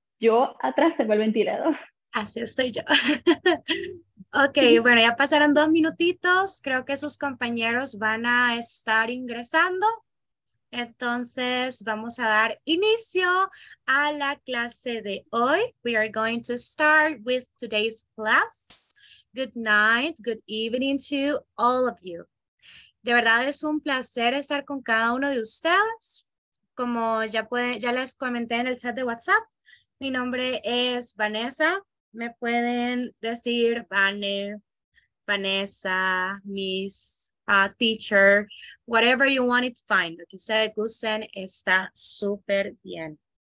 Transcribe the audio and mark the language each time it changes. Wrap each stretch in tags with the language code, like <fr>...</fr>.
<es>Yo atrás tengo el ventilador. Así estoy yo. Ok, bueno, ya pasaron 2 minutitos. Creo que sus compañeros van a estar ingresando. Entonces vamos a dar inicio a la clase de hoy.</es> <en>We are going to start with today's class. Good night, good evening to all of you.</en> <es>De verdad es un placer estar con cada uno de ustedes. Como ya les comenté en el chat de WhatsApp, mi nombre es Vanessa. Me pueden decir Vane, Vanessa, Miss.</es> <en>Teacher, whatever you want it fine.</en> <es>Lo que ustedes gusten está súper bien.</es>